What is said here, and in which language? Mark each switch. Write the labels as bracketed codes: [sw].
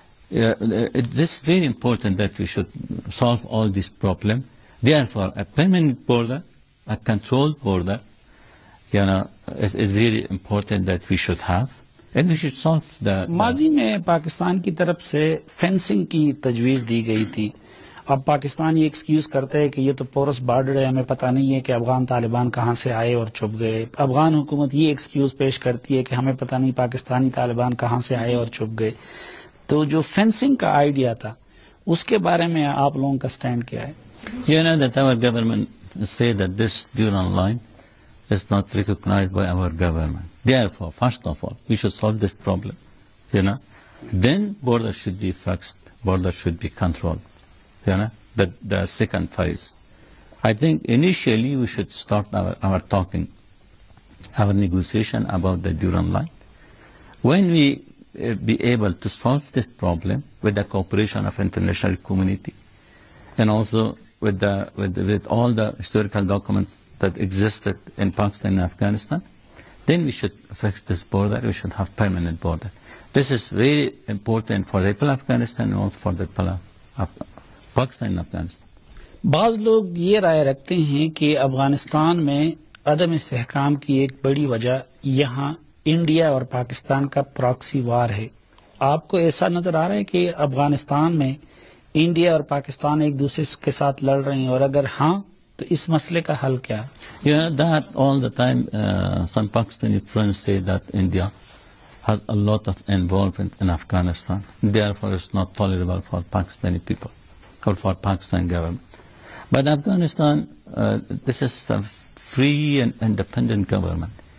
[en] This is very important that we should solve all this problem. Therefore, a permanent border, a controlled border, you know, is very important that we should have. And we should solve the... [ur] ماضی میں پاکستان کی طرف سے fencing کی تجویز دی گئی تھی. اب پاکستان یہ ایکسکیوز کرتا ہے کہ یہ تو پورس بارڈر ہے, ہمیں پتہ نہیں ہے کہ افغان طالبان کہاں سے آئے اور چھپ گئے. افغان حکومت یہ ایکسکیوز پیش کرتی ہے کہ ہمیں پتہ نہیں پاکستانی طالبان کہاں سے آئے اور چھپ گئے. تو جو فینسنگ کا آئیڈیا تھا اس کے بارے میں آپ لوگوں کا سٹینڈ کیا ہے؟ [en] You know that our government say that this dual line is not recognized by our government. Therefore, first of all, we should solve this problem. You know, then border should be fixed, border should be controlled. You know, the second phase. I think initially we should start our talking, our negotiation about the Durham line. When we be able to solve this problem with the cooperation of international community, and also with all the historical documents that existed in Pakistan and Afghanistan, then we should fix this border, we should have permanent border. This is very important for the people of Afghanistan and also for the people of Pakistan and Afghanistan. [ur] بعض لوگ یہ رائے رکھتے ہیں کہ افغانستان میں عدم استحکام کی ایک بڑی وجہ یہاں انڈیا اور پاکستان کا پراکسی وار ہے. آپ کو ایسا نظر آ رہا ہے کہ افغانستان میں انڈیا اور پاکستان ایک دوسرے کے ساتھ لڑ رہے ہیں, اور اگر ہاں تو اس مسئلے کا حل کیا ہے؟ [en] You know that all the time some Pakistani friends say that India has a lot of involvement in Afghanistan, therefore it's not tolerable for Pakistani people or for Pakistan government. But Afghanistan, this is a free and independent government.